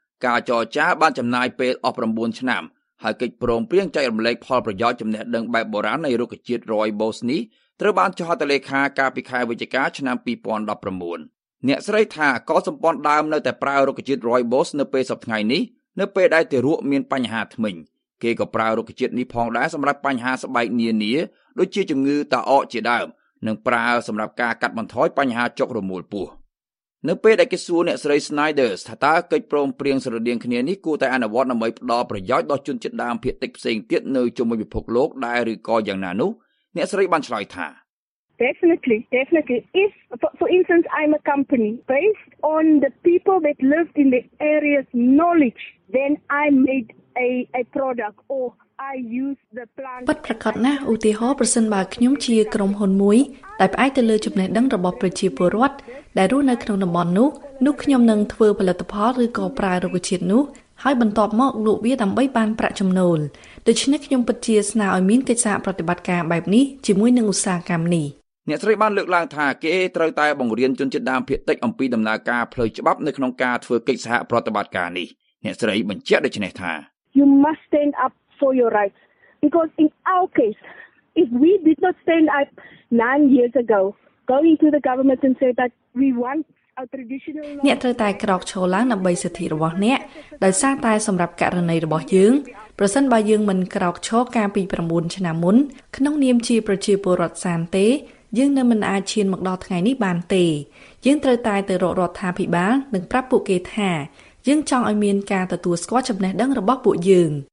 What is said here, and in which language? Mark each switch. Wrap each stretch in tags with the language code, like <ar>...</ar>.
<km>ការចរចាបានចំណាយពេលអស់9ឆ្នាំហើយកិច្ចព្រមព្រៀងចែករំលែកផលប្រយោជន៍ចំណេះដឹងបែបបុរាណនៃរុក្ខជាតិ Rooibos នេះត្រូវបានចុះហត្ថលេខាកាលពីខែវិច្ឆិកាឆ្នាំ2019អ្នកស្រីថាក៏សម្ព័ន្ធដើមនៅតែប្រើរុក្ខជាតិ Rooibos នៅពេលសប្តាហ៍នេះនៅពេលដែលទារកមានបញ្ហាធ្មេញគេក៏ប្រើរុក្ខជាតិនេះផងដែរសម្រាប់បញ្ហាស្បែកនានាដូចជាជំងឺតអកជាដើមនិងប្រើសម្រាប់ការកាត់បន្ថយបញ្ហាចុករមួលពោះ នៅពេលដែលគេសួរអ្នកស្រី Snyders ថាតើកិច្ចព្រមព្រៀងស្រដៀងគ្នានេះគួរតែអនុវត្តដើម្បីផ្ដល់ប្រយោជន៍ដល់ជនជាតិដើមភាគតិចផ្សេងទៀតនៅជុំវិញពិភពលោកដែរឬក៏យ៉ាងណានោះអ្នកស្រីបានឆ្លើយថា</km> <en>Definitely. If, for instance, I'm a company based on the people that lived in the area's knowledge, then I made a product or I use the plant.</en> <km>ប៉ាត់ប្រកាសណាឧទាហរណ៍ប្រសិនបើខ្ញុំជាក្រុមហ៊ុនមួយដែលផ្អែកទៅលើចំណេះដឹងរបស់ប្រជាពលរដ្ឋដែលរស់នៅក្នុងតំបន់នោះនោះខ្ញុំនឹងធ្វើផលិតផលឬក៏ប្រើរុក្ខជាតិនោះហើយបន្តមកលក់វាដើម្បីបានប្រាក់ចំណូលដូច្នេះខ្ញុំពិតជាស្នើឲ្យមានកិច្ចសហប្រតិបត្តិការបែបនេះជាមួយនឹងឧស្សាហកម្មនេះ អ្នកស្រីបានលើកឡើងថាគេត្រូវតែបង្រៀនជនជាតិដើមភាគតិចអំពីដំណើរការផ្លូវច្បាប់នៅក្នុងការធ្វើកិច្ចសហប្រតិបត្តិការនេះអ្នកស្រីបញ្ជាក់ដូច្នេះថា</km> <en>You must stand up for your rights because in our case if we did not stand up 9 years ago going to the government and say that we want</en> <km>អ្នកត្រូវតែក្រោកឈរឡើងដើម្បីសិទ្ធិរបស់អ្នកដោយសារតែសម្រាប់ករណីរបស់យើងប្រសិនបើយើងមិនក្រោកឈរកាលពី9ឆ្នាំមុនក្នុងនាមជាប្រជាពលរដ្ឋសាមញ្ញទេយើងនៅមិនអាចឈានមកដល់ថ្ងៃនេះបានទេយើងត្រូវតែទៅរករដ្ឋាភិបាលនិងប្រាប់ពួកគេថាយើងចង់ឲ្យមានការទទួលស្គាល់ចំណេះដឹងរបស់ពួកយើង</km>